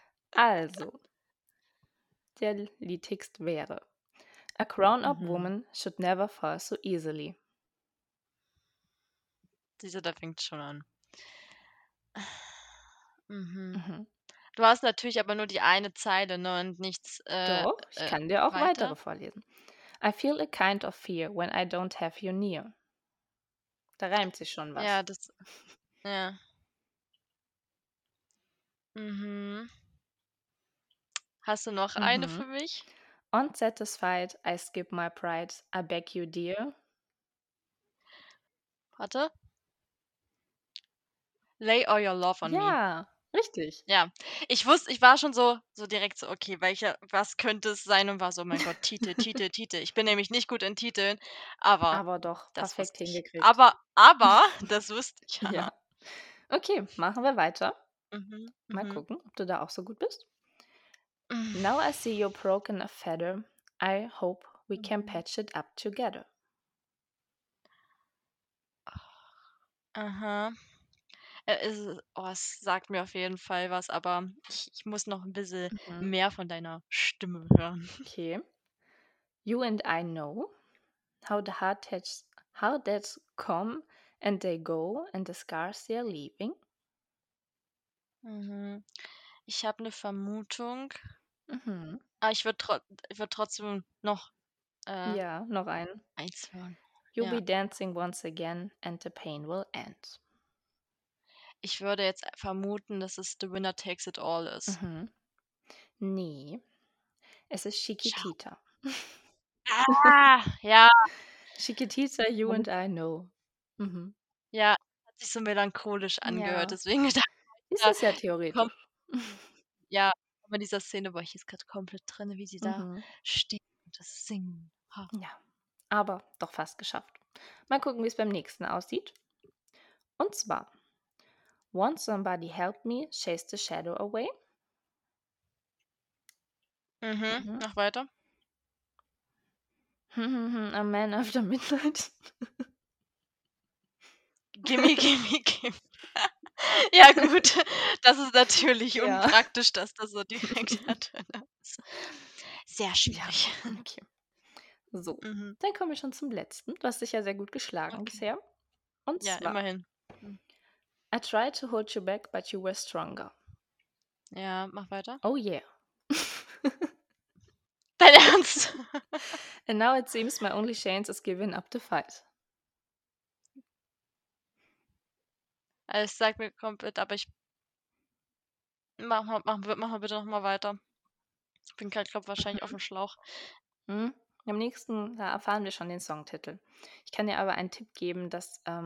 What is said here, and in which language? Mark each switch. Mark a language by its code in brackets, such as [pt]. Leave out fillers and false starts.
[de] Also, der Liedtext wäre: [en] A grown-up woman should never fall so easily. [de] Dieser, da fängt schon an. Du hast natürlich aber nur die eine Zeile, ne, und nichts. Doch, ich kann dir auch weitere vorlesen. [en] I feel a kind of fear when I don't have you near. [de] Da reimt sich schon was. Ja, das. Ja. Hast du noch eine für mich? [en] Unsatisfied, I skip my pride, I beg you, dear. Warte. Lay all your love on me. [de] Ja. Richtig. Ja, ich wusste, ich war schon so direkt so, okay, welcher, was könnte es sein? Und war so, mein Gott, Titel, Titel, Titel. Ich bin nämlich nicht gut in Titeln, aber. Aber doch, Das perfekt wusste ich. hingekriegt. Aber, das wusste ich, Hannah. Ja. Okay, machen wir weiter. Mal gucken, ob du da auch so gut bist. [en] Now I see you're broken a feather. I hope we can patch it up together. Aha. [de] Es sagt mir auf jeden Fall was, aber ich muss noch ein bisschen mehr von deiner Stimme hören. Okay. [en] You and I know how the hard debts come and they go and the scars they are leaving. [de] Ich habe eine Vermutung. Aber ich würde trotzdem noch. Ja, noch ein. Eins hören. [en] You'll be dancing once again and the pain will end. [de] Ich würde jetzt vermuten, dass es The Winner Takes It All ist. Nee, es ist Chiquitita. Ja. [en] Chiquitita, you and I know. [de] Ja, hat sich so melancholisch angehört, deswegen gedacht. Ist es ja theoretisch. Ja, aber in dieser Szene war ich jetzt gerade komplett drin, wie sie da steht und das singen. Oh. Ja, aber doch fast geschafft. Mal gucken, wie es beim nächsten aussieht. Und zwar... [en] Won't somebody help me chase the shadow away? [de] Noch weiter. [en] A man after midnight. Gimme, gimme, gimme. [de] Ja, gut. Das ist natürlich unpraktisch, dass das so direkt hat. Sehr schwierig. Ja, okay. So, dann kommen wir schon zum letzten. Du hast dich ja sehr gut geschlagen bisher. Und ja, zwar, immerhin. [en] I tried to hold you back, but you were stronger. [de] Ja, mach weiter. [en] Oh yeah. [de] Dein Ernst? [en] And now it seems my only chance is giving up the fight. [de] Es sagt mir komplett, aber ich... Mach mal bitte noch mal weiter. Ich bin gerade, glaube ich, wahrscheinlich auf dem Schlauch. Am nächsten, da erfahren wir schon den Songtitel. Ich kann dir aber einen Tipp geben, dass...